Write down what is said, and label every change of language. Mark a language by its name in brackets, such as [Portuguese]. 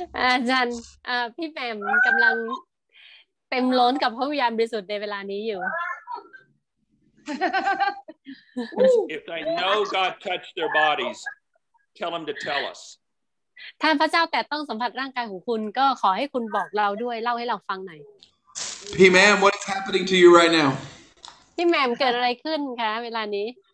[Thai] Ajahn, Pete Bam, กำลังเต็มล้นกับพระวิญญาณบริสุทธิ์ในเวลานี้อยู่ [English] If they know God touched their bodies, tell them to tell us. [Thai] ท่านพระเจ้าแต่ต้องสัมผัสร่างกายของคุณก็ขอให้คุณบอกเราด้วยเล่าให้เราฟังหน่อย [English] P ma'am, what is happening to you right now? [Thai] P ma'am, เกิดอะไรขึ้นคะเวลานี